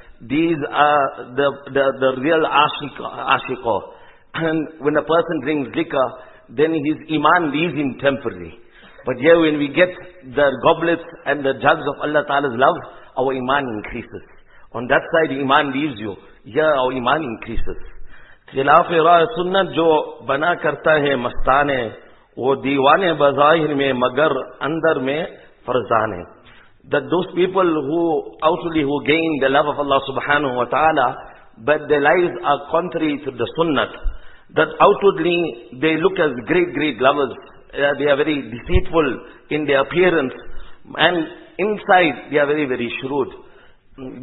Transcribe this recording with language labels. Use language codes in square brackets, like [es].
[en] these are the real ashiqa. And when a person drinks liquor, then his iman leaves him temporarily. But yeah, when we get the goblets and the jugs of Allah Ta'ala's love, our iman increases. On that side, iman leaves you. Yeah, our iman increases. [ur] خلاف راہ سنت جو بنا کرتا ہے مستانے وہ دیوانے بظاہر میں مگر اندر میں فرزانے. [en] That those people who outwardly who gain the love of Allah [ar] subhanahu wa ta'ala, [en] but their lives are contrary to the sunnah. That outwardly they look as great, great lovers. They are very deceitful in their appearance. And inside they are very, very shrewd.